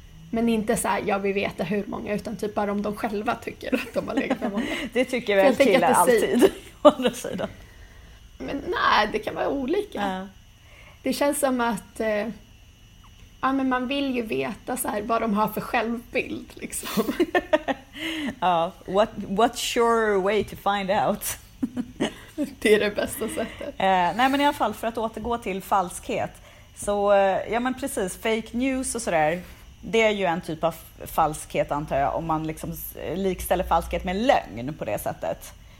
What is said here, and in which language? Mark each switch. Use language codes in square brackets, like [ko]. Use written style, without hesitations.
[sv] Men inte så här, jag vill veta hur många, utan typ bara om de själva tycker att de har legat med många. Det tycker väl killar alltid. Å andra sidan. Men nej, det kan vara olika. Det känns som att ja, men man vill ju veta så här, vad de har för självbild liksom. [en] Ja, what sure way to find out. [sv] Det är det bästa sättet. Nej, men i alla fall för att återgå till falskhet. Så, ja men precis, fake news och sådär. Det är ju en typ av falskhet antar jag. Om man liksom likställer falskhet med lögn på det sättet.